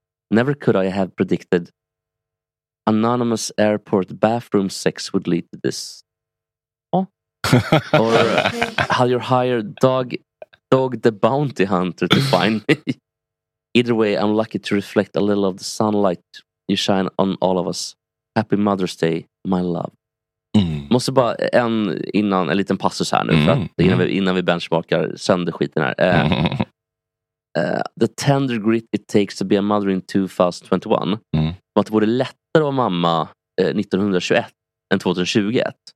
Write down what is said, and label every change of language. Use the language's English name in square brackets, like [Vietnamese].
[English] Never could I have predicted anonymous airport bathroom sex would lead to this. Or how you hire dog the bounty hunter to find me. Either way, I'm lucky to reflect a little of the sunlight you shine on all of us. Happy Mother's Day, my love. [Swedish] Måste bara en liten passus här nu innan vi benchmarkar sönder skiten här. [English] The tender grit it takes to be a mother in 2021. [Swedish] Att det vore lättare att mamma 1921 än 2021.